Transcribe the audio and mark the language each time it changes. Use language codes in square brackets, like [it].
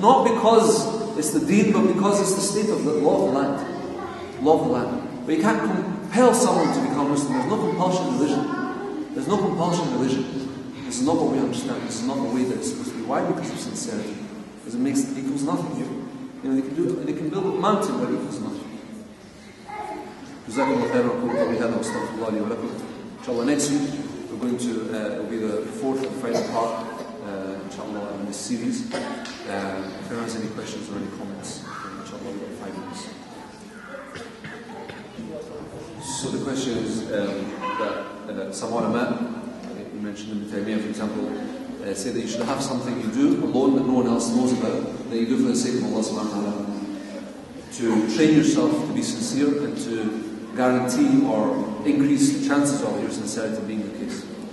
[en] Not because it's the deen, but because it's the state of the law of the land. Law of the land. But you can't compel someone to become Muslim. There's no compulsion in religion. There's no compulsion in religion. This is not what we understand. This is not the way that it's supposed to be. Why? Because of sincerity. Because it makes it equals nothing here. You know, they can do it, they can build a mountain where it equals nothing. [ar] جزاكم الله خيرا وكم الله بهذا واستغفر الله لي ولكم. إن شاء الله [en] next week we're going to be the fourth and final part إن شاء الله in this series. If there are any questions or any comments, [ar] إن شاء الله [en] we'll get 5 minutes. So the question is that some ulama, you mentioned in the Taymiyyah for example, say that you should have something you do alone that no one else knows about, that you do for the sake of Allah subhanahu wa ta'ala, to train yourself to be sincere and to guarantee or increase the chances of your sincerity being the case.